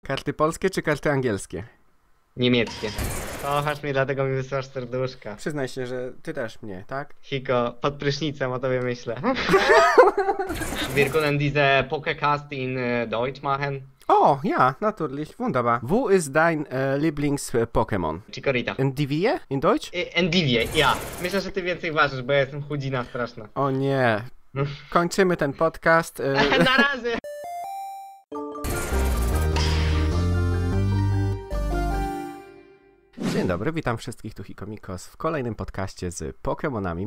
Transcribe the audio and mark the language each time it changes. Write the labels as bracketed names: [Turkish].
[Polish] Karty polskie czy karty angielskie? Niemieckie. Kochasz mnie, dlatego mi wysyłasz serduszka. Przyznaj się, że ty też mnie, tak? Hiko, pod prysznicem o tobie myślę. [German] Wir können diese Pokecast in Deutsch machen. O, oh, ja, natürlich, wunderbar. Wo ist dein Lieblings-Pokémon? Chikorita. Endivie? In Deutsch? Endivie, ja. [Polish] Myślę, że ty więcej ważysz, bo ja jestem chudzina straszna. O nie. Kończymy ten podcast. Na razie! Dzień dobry, witam wszystkich, tu Hikomikos w kolejnym podcaście z Pokemonami.